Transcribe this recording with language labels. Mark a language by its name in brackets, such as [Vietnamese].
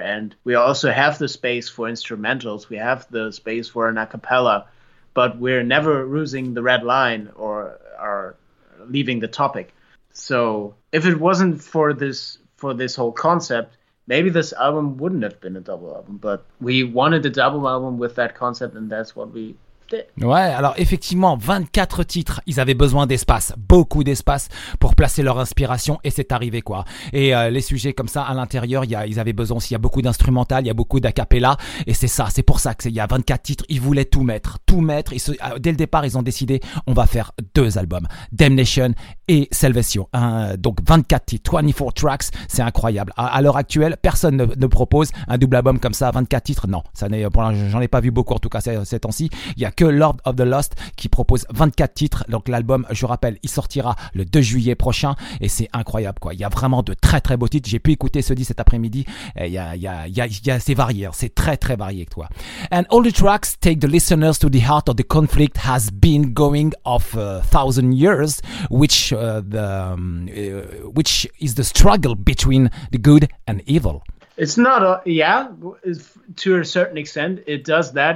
[English] And we also have the space for instrumentals. We have the space for an a cappella. But we're never losing the red line or are leaving the topic. So if it wasn't for this whole concept, maybe this album wouldn't have been a double album. But we wanted a double album with that concept, and that's what we... [French] Ouais, alors effectivement, 24 titres, ils avaient besoin d'espace, beaucoup d'espace pour placer leur inspiration et c'est arrivé quoi. Et les sujets comme ça à l'intérieur, ils avaient besoin aussi, il y a beaucoup d'instrumental, il y a beaucoup d'a cappella et c'est ça, c'est pour ça qu'il y a 24 titres, ils voulaient tout mettre. Dès le départ, ils ont décidé, on va faire deux albums, Damnation et Salvation. Hein, donc 24 titres, 24 tracks, c'est incroyable. À l'heure actuelle, personne ne propose un double album comme ça, 24 titres, non, j'en ai pas vu beaucoup en tout cas ces temps-ci. Il y a que Lord of the Lost qui propose 24 titres. Donc l'album, je rappelle, il sortira le 2 juillet prochain et c'est incroyable quoi. Il y a vraiment de très très beaux titres. J'ai pu écouter ce disque cet après-midi. Il y a c'est varié, hein. C'est très très varié toi. [English] And all the tracks take the listeners to the heart of the conflict has been going of a thousand years, which is the struggle between the good and evil. It's not to a certain extent it does that.